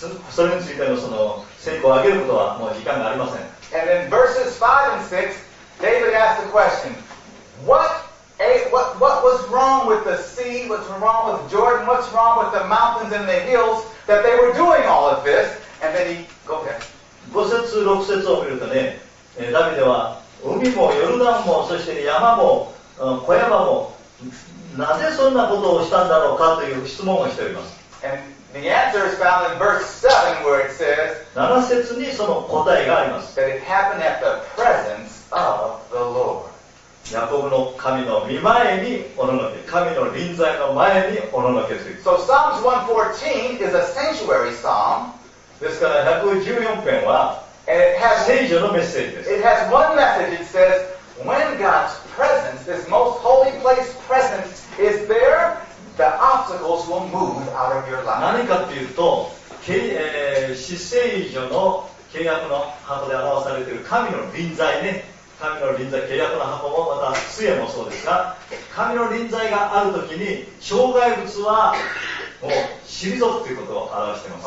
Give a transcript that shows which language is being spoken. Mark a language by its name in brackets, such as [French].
[Japanese] それについてのその成功を挙げることはもう時間がありません。 [English] And in verses 5 and 6, David asked the question, what was wrong with the sea? What's wrong with Jordan? What's wrong with the mountains and the hills? That they were doing all of this, and then he go ahead. [Japanese] 5節6節を見るとね、ダビデは海もヨルダンもそして山も小山もなぜそんなことをしたんだろうかという質問をしております。 [English] And the answer is found in verse 7, where it says. [Japanese] 7節にその答えがあります。 [English] That it happened at the presence of the Lord. [Japanese] ヤコブの神の御前におののけ、神の臨在の前におののけする。 [English] So Psalms 114 is a sanctuary psalm. [Japanese] ですから114篇は聖所のメッセージです。 [English] It has one message. It says, when God's presence, this most holy place presence, is there, the obstacles will move out of your life. [Japanese] 何かというと、至聖所の契約の箱で表されている神の臨在ね。神の臨在、契約の箱もまた杖もそうですが、神の臨在があるときに障害物はもう退くということを表しています。